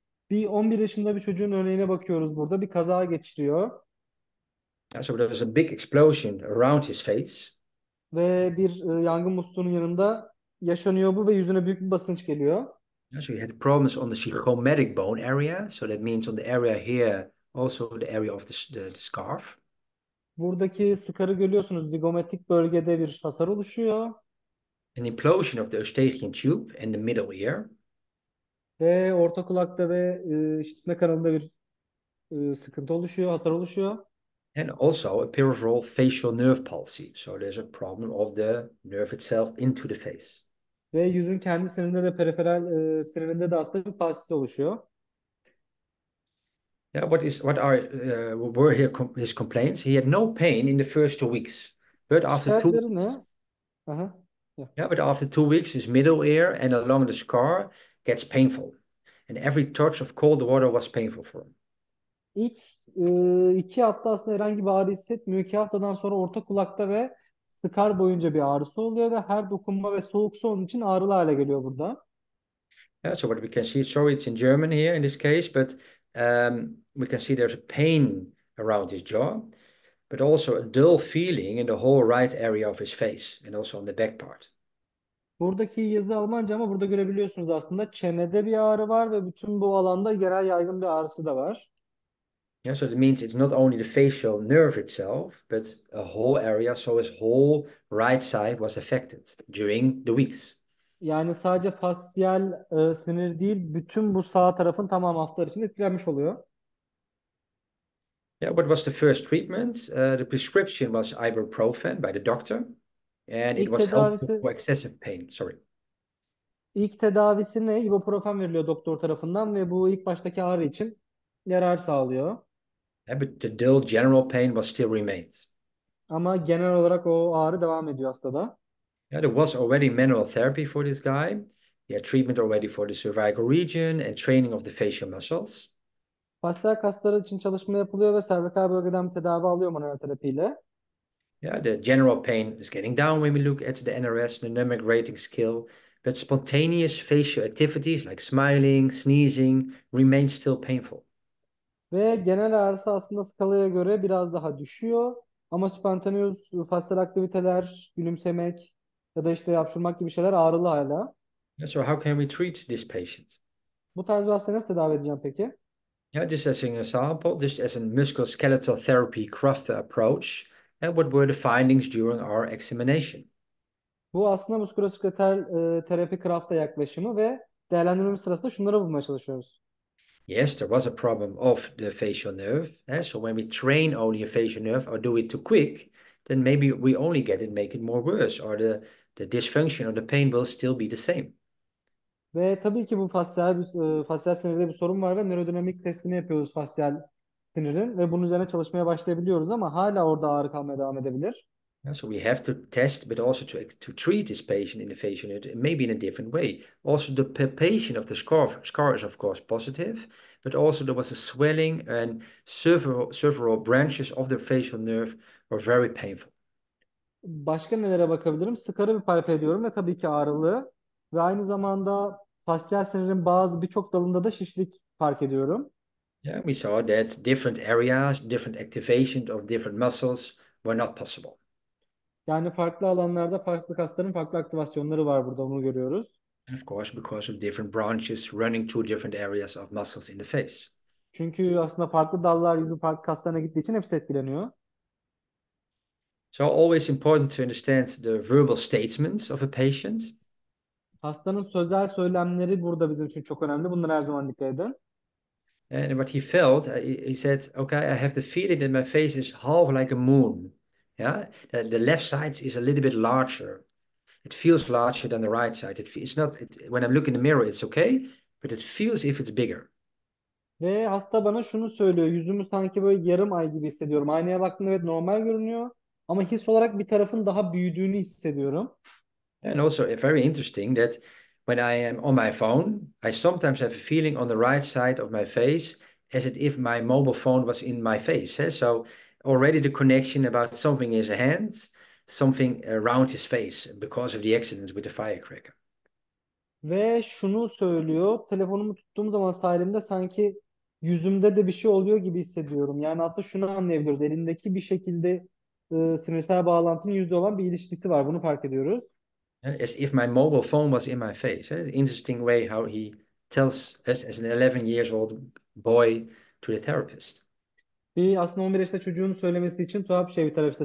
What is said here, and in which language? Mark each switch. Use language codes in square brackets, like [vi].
[tr] Bir 11 yaşında bir çocuğun örneğine bakıyoruz burada. Bir kaza geçiriyor. [en] So there was a big explosion around his face. [tr] Ve bir yangın musluğunun yanında yaşanıyor bu ve yüzüne büyük bir basınç geliyor. [en] So he had problems on the zygomatic bone area. So that means on the area here, also the area of the scarf. [tr] Buradaki sıkarı görüyorsunuz. Zigomatik bölgede bir hasar oluşuyor. [en] An implosion of the Eustachian tube in the middle ear. [tr] Ve orta kulakta ve işitme kanalında bir sıkıntı oluşuyor, hasar oluşuyor. [en] And also a peripheral facial nerve palsy. So there's a problem of the nerve itself into the face. [tr] Ve yüzün kendi sinirinde de periferal sinirinde de aslında bir palsisi oluşuyor. [en] Yeah, were here his complaints? He had no pain in the first 2 weeks. But after two [tr] Şikayetleri ne? Aha. [en] yeah, but after 2 weeks, his middle ear and along the scar gets painful. And every touch of cold water was painful for him. [tr] İlk 2 hafta aslında herhangi bir ağrı hissetmiyor. 2 haftadan sonra orta kulakta ve skar boyunca bir ağrısı oluyor ve her dokunma ve soğuk su onun için ağrılı hale geliyor burada. [en] Yeah, so what we can see, sorry, it's in German here in this case, but we can see there's a pain around his jaw, but also a dull feeling in the whole right area of his face and also on the back part. [tr] Buradaki yazı Almanca ama burada görebiliyorsunuz aslında çenede bir ağrı var ve bütün bu alanda genel yaygın bir ağrısı da var. [en] Yeah, so it means it's not only the facial nerve itself, but a whole area, so his whole right side was affected during the weeks. [tr] Yani sadece fasciyel sinir değil, bütün bu sağ tarafın tamamı haftalar için etkilenmiş oluyor. [en] Yeah, what was the first treatment? The prescription was ibuprofen by the doctor, and it [tr] İlk [en] was helpful [tr] tedavisi [en] for excessive pain. Sorry. [tr] ne? İbuprofen veriliyor doktor tarafından ve bu ilk baştaki ağrı için yarar sağlıyor. [en] Yeah, but the dull general pain was still remained. [tr] Ama genel olarak o ağrı devam ediyor hastada. [en] Yeah, there was already manual therapy for this guy. He had treatment already for the cervical region and training of the facial muscles. [tr] Fasciyel kasları için çalışma yapılıyor ve servikal bölgeden bir tedavi alıyor manuel terapiyle. [en] Yeah, the general pain is getting down when we look at the NRS, the dynamic rating scale, but spontaneous facial activities like smiling, sneezing remain still painful. [tr] Ve genel ağrısı aslında skalaya göre biraz daha düşüyor. Ama spontaneous fasciyel aktiviteler, gülümsemek ya da işte yapışmak gibi şeyler ağrılı hala. [en] So how can we treat this patient? [tr] Bu tarz bir hastayı nasıl tedavi edeceğim peki? [en] Yeah, just as an example, just as a musculoskeletal therapy Krafta approach. And what were the findings during our examination? [tr] Bu aslında muskuloskeletal terapi Krafta yaklaşımı ve değerlendirmemiz sırasında şunları bulmaya çalışıyoruz. [en] Yes, there was a problem of the facial nerve. So when we train only a facial nerve or do it too quick, then maybe we only get it, make it more worse, or the dysfunction or the pain will still be the same. [tr] Ve tabii ki bu fasciyel sinirde bir sorun var ve nörodinamik testini yapıyoruz fasciyel sinirin ve bunun üzerine çalışmaya başlayabiliyoruz ama hala orada ağrı kalmaya devam edebilir. [en] So we have to test, but also to treat this patient in the facial nerve, maybe in a different way. Also, the palpation of the scar is of course positive, but also there was a swelling and several branches of the facial nerve were very painful. [tr] Başka nelere bakabilirim? Sıkarı bir palpe ediyorum ve tabii ki ağrılı. Ve aynı zamanda fasciyel sinirin bazı birçok dalında da şişlik fark ediyorum. [en] Yeah, we saw that different areas, different activations of different muscles were not possible. [tr] Yani farklı alanlarda farklı kasların farklı aktivasyonları var burada, onu görüyoruz. [en] Of course, because of different branches running to different areas of muscles in the face. [tr] Çünkü aslında farklı dallar yüzün farklı kaslarına gittiği için hepsi etkileniyor. [en] So always important to understand the verbal statements of a patient. [tr] Hastanın sözel söylemleri burada bizim için çok önemli. Bunları her zaman dikkat edin. [en] And what he felt, he said, okay, I have the feeling that my face is half like a moon. Yeah, the left side is a little bit larger. It feels larger than the right side. It's not, when I look in the mirror, it's okay, but it feels if it's bigger. [tr] Ve hasta bana şunu söylüyor. Yüzümü sanki böyle yarım ay gibi hissediyorum. Aynaya baktığımda evet normal görünüyor. Ama his olarak bir tarafın daha büyüdüğünü hissediyorum. [en] And also very interesting that when I am on my phone, I sometimes have a feeling on the right side of my face as if my mobile phone was in my face. Eh? So already the connection about something in his hands, something around his face because of the accident with the firecracker. [tr] Ve şunu söylüyor. Telefonumu tuttuğum zaman sağ elimde sanki yüzümde de bir şey oluyor gibi hissediyorum. Yani aslında şunu anlayabiliyoruz. Elindeki bir şekilde sinirsel bağlantının yüzde olan bir ilişkisi var. Bunu fark ediyoruz. [en] As if my mobile phone was in my face. Interesting way how he tells us as an 11 years old boy to the therapist. [tr] Bir aslında 11 yaşında çocuğun söylemesi için tuhaf bir şey bir taraf işte.